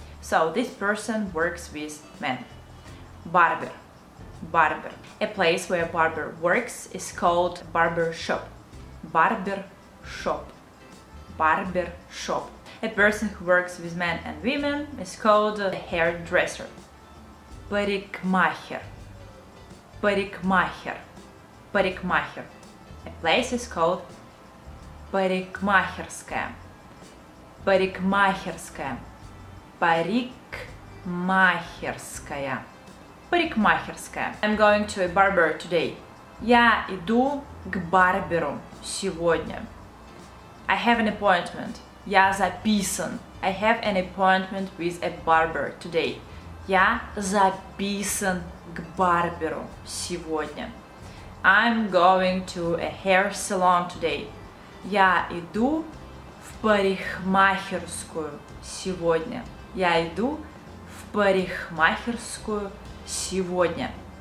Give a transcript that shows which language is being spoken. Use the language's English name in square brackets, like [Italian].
[English] So this person works with men. Barber, barber. A place where a barber works is called barber shop. Barber shop, barber shop. A person who works with men and women is called a hairdresser. [Russian] Парикмахер, парикмахер, парикмахер. [English] A place is called парикмахерская, парикмахерская, парикмахерская, парикмахерская. I'm going to a barber today. [Russian] Я иду к барберу сегодня. [English] I have an appointment. [Russian] Я записан. [English] I have an appointment with a barber today. [Russian] Я записан к барберу сегодня. [English] I'm going to a hair salon today. [Russian] Я иду в парикмахерскую сегодня. Я иду в парикмахерскую сегодня.